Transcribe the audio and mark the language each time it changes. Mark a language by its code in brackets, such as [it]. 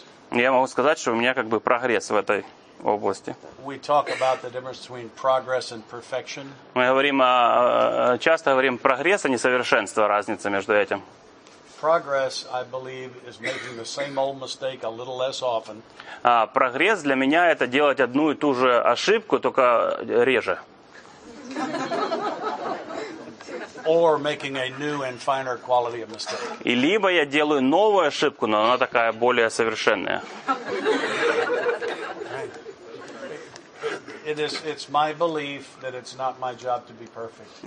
[ru] Я могу сказать, что у меня как бы прогресс в этой области. [en] We talk about the difference between progress and perfection. [ru] Мы говорим часто говорим прогресс, а не совершенство, разница между этим. [en] Progress, I believe, is making the same old mistake a little less often. [ru] Прогресс для меня это делать одну и ту же ошибку, только реже. [en] Or making a new and finer quality of mistake. [ru] И либо я делаю новую ошибку, но она такая более совершенная. [en] It's my belief that it's not my job to be perfect.